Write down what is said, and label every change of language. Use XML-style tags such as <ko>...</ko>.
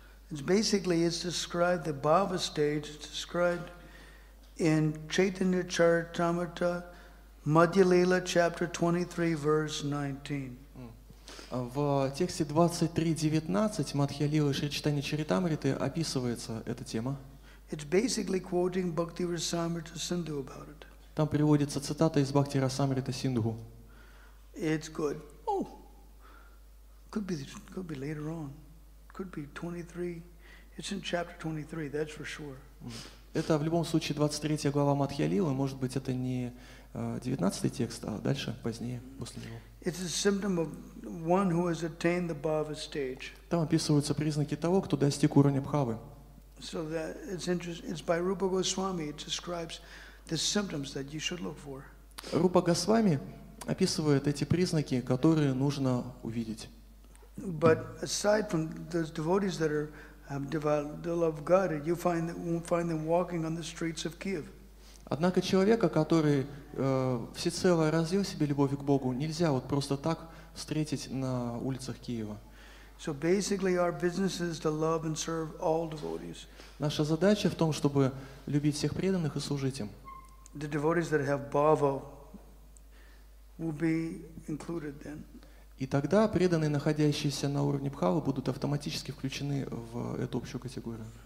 <en>It's basically, it's described the bhava stage, it's described in Chaitanya Charitamrita, Madhyalila, chapter 23, verse 19.</en> <ru>В тексте 23.19 Мадхьялилы Шри Чайтанья Чаритамриты описывается эта тема.</ru> <en>It's basically quoting Bhakti Rasamrita Sindhu about it.</en> <ru>Там приводится цитата из Бхакти Расамрита Синдху.</ru> <en>It's good. Oh, could be later on. Could be 23. It's in chapter 23, that's for sure.</en> <ru>Это в любом случае 23 глава Мадхьялилы, может быть, это не 19 текст, а дальше, позднее, после него.</ru> <en>It's a symptom of one who has attained the bhava stage.</en> <ru>Там описываются признаки того, кто достиг уровня бхавы.</ru> <en>So that it's interesting. It's by Rupa Goswami. It describes the symptoms that you should look for.</en> <ru>Рупа Госвами описывает эти признаки, которые нужно увидеть.</ru> <en>But aside from those devotees that are you won't find them walking on the streets of Kiev.</en> <ru>Однако человека, который всецело развил себе любовь к Богу, нельзя вот просто так встретить на улицах Киева.</ru> <en>So basically, our business is to love and serve all devotees.</en> <ru>Наша задача в том, чтобы любить всех преданных и служить им.</ru> <en>The devotees that have bhava will be included then.</en> <ru>И тогда преданные, находящиеся на уровне бхавы, будут автоматически включены в эту общую категорию.</ru>